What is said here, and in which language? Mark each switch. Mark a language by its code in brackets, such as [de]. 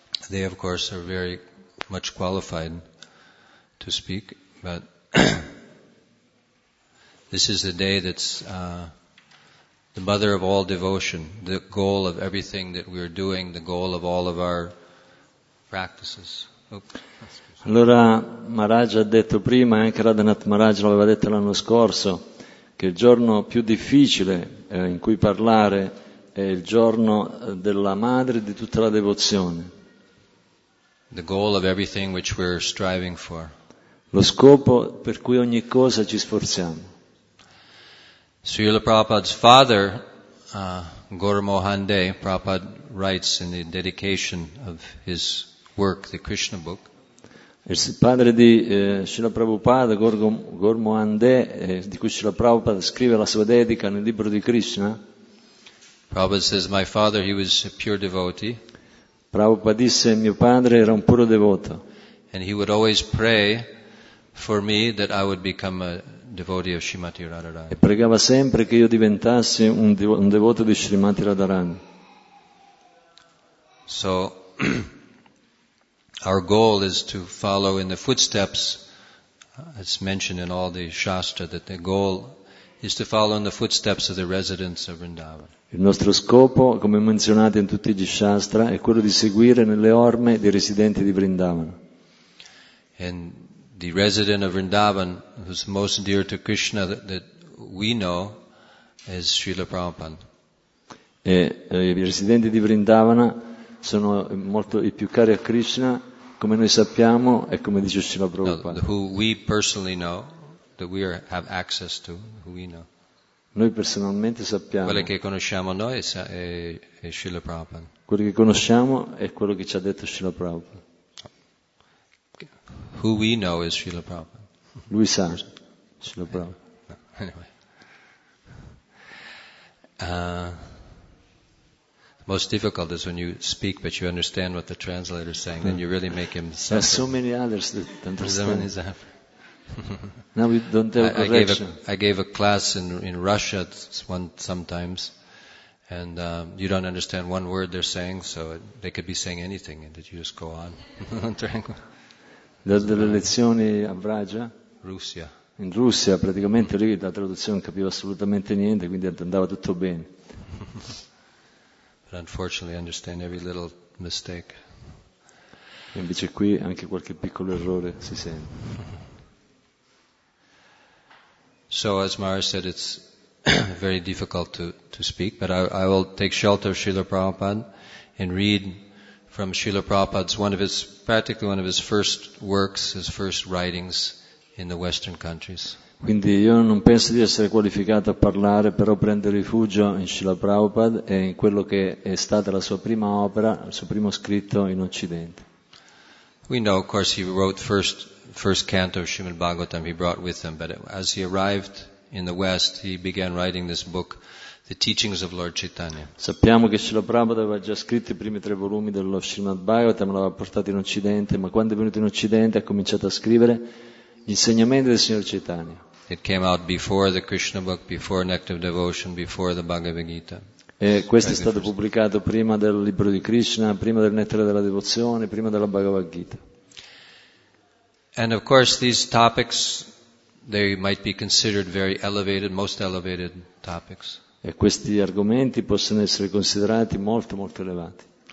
[en] They, of course, are very much qualified to speak, but this is the day that's the mother of all devotion, the goal of everything that we're doing, the goal of all of our practices. Oops. [it] Allora Maharaj ha detto prima, anche Radhanath Maharaj l'aveva detto l'anno scorso, che il giorno più difficile in cui parlare è il giorno della madre di tutta la devozione. [en] The goal of everything which we're striving for. [it] Lo scopo per cui ogni cosa ci sforziamo. [en] Srila Prabhupada's father, Gaur Mohan Day, Prabhupada writes in the dedication of his work, the Krishna book. [it] Il padre di Srila Prabhupada, Gaur Mohan Day, di cui Srila Prabhupada scrive la sua dedica nel libro di Krishna. [en] Prabhupada says, my father, he was a pure devotee. [it] Prabhupada disse, mio padre era un puro devoto. [en] And he would always pray for me that I would become a devotee of Srimati Radharani. [it] E pregava sempre che io diventassi un devoto di Srimati Radharani. [en] So our goal is to follow in the footsteps, it's mentioned in all the Shastra, that the goal is to follow in the footsteps of the residents of Vrindavan. [it] Il nostro scopo, come menzionato in tutti gli Shastra, è quello di seguire nelle orme dei residenti di Vrindavan. [en] And the resident of Vrindavan, who's most dear to Krishna that we know, is Srila Prabhupada. [it] E i residenti di Vrindavana sono molto i più cari a Krishna, come noi sappiamo e come dice Srila Prabhupada. [en] No, who we personally know, that we have access to, who we know. [it] Noi personalmente sappiamo. Quello che conosciamo noi è Srila Prabhupada. Quello che conosciamo è quello che ci ha detto Srila Prabhupada. [en] Who we know is Srila Prabhupada. [it] Lui sa, Srila Prabhupada. [en] Anyway. The most difficult is when you speak but you understand what the translator is saying, then you really make him suffer. There are so many others that don't understand. Is that? Now we don't have correction. I gave a class in Russia sometimes, and you don't understand one word they're saying, so they could be saying anything, and you just go on. [it] Delle lezioni a Vraja? [en] Russia. [it] In Russia, praticamente lì la traduzione non capiva assolutamente niente, quindi andava tutto bene. [en] But unfortunately I understand every little mistake. [it] E invece qui anche qualche piccolo errore si sente. [en] So as Mara said, it's very difficult to speak, but I will take shelter of Srila Prabhupada and read from Srila Prabhupada's one of his first works, his first writings in the Western countries. [it] Quindi io non penso di essere qualificato a parlare, però prendo rifugio in Srila Prabhupada e in quello che è stata la sua prima opera, il suo primo scritto in Occidente. [en] We know, of course, he wrote first canto of Srimad Bhagavatam he brought with him, but as he arrived in the West, he began writing this book, The Teachings of Lord Chaitanya. [it] Sappiamo che Srila Prabhupada aveva già scritto i primi tre volumi dello Srimad Bhagavatam, l'aveva portato in Occidente, ma quando è venuto in Occidente ha cominciato a scrivere gli insegnamenti del Signore Chaitanya. [en] It came out before the Krishna book, before Nectar of Devotion, before the Bhagavad Gita. [it] E questo è stato pubblicato prima del libro di Krishna, prima del Nettare della Devozione, prima della Bhagavad Gita. [en] And of course these topics, they might be considered very elevated, most elevated topics. [it] E questi argomenti possono essere considerati molto molto elevati.